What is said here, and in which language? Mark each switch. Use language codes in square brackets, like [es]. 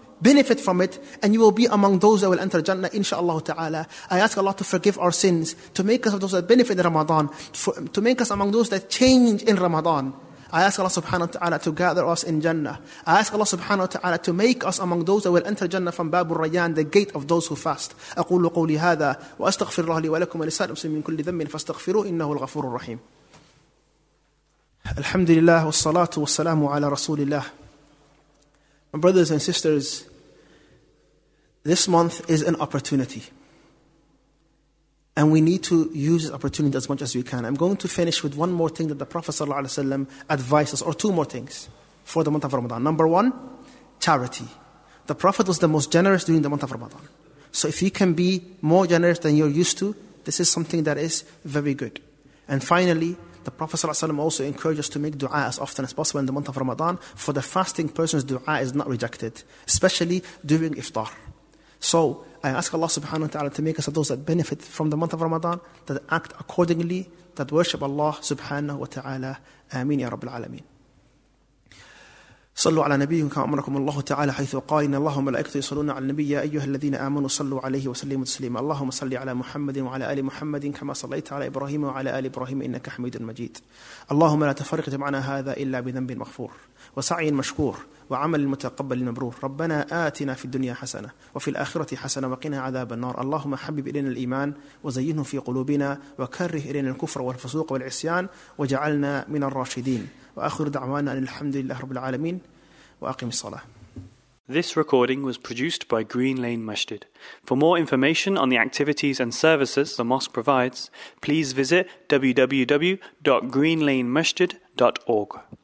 [en] Benefit from it, and you will be among those that will enter Jannah, inshaAllah ta'ala. I ask Allah to forgive our sins, to make us of those that benefit in Ramadan, to make us among those that change in Ramadan. I ask Allah subhanahu wa ta'ala to gather us in Jannah. I ask Allah subhanahu wa ta'ala to make us among those that will enter Jannah from Babur Rayyan, the gate of those who fast. [ar] أقول قولي هذا وأستغفر الله لي ولكم ولسائر المسلمين من كل ذنب فاستغفروه إنه الغفور الرحيم. Alhamdulillah, والصلاة والسلام على رسول الله. [en] My brothers and sisters, this month is an opportunity. And we need to use this opportunity as much as we can. I'm going to finish with one more thing that the Prophet ﷺ advises, or two more things for the month of Ramadan. Number one, charity. The Prophet was the most generous during the month of Ramadan. So if you can be more generous than you're used to, this is something that is very good. And finally, the Prophet ﷺ also encouraged us to make dua as often as possible in the month of Ramadan. For the fasting person's dua is not rejected, especially during iftar. So I ask Allah subhanahu wa ta'ala to make us of those that benefit from the month of Ramadan, that act accordingly, that worship Allah subhanahu wa ta'ala. [ar] Ameen ya Rabbil Alameen. صلوا على نبيكم أمركم الله تعالى حيث قال إن الله وملائكته يصلون على النبي يا أيها الذين آمنوا صلوا عليه وسلموا تسليما اللهم صل على محمد وعلى آل محمد كما صليت على إبراهيم وعلى آل إبراهيم إنك حميد مجيد اللهم لا تفرق جمعنا هذا إلا بذنب مغفور وسعي مشكور وعمل المتقبل المبرور ربنا آتنا في الدنيا حسنة وفي الآخرة حسنة وقنا عذاب النار اللهم حبب إلينا الإيمان وزينه في قلوبنا وكره إلينا الكفر والفسوق والعصيان وجعلنا من الراشدين وآخر دعوانا أن الحمد لله رب العالمين وأقم الصلاة. [en] This recording was produced by Green Lane Masjid. For more information on the activities and services the mosque provides, please visit www.greenlanemasjid.org.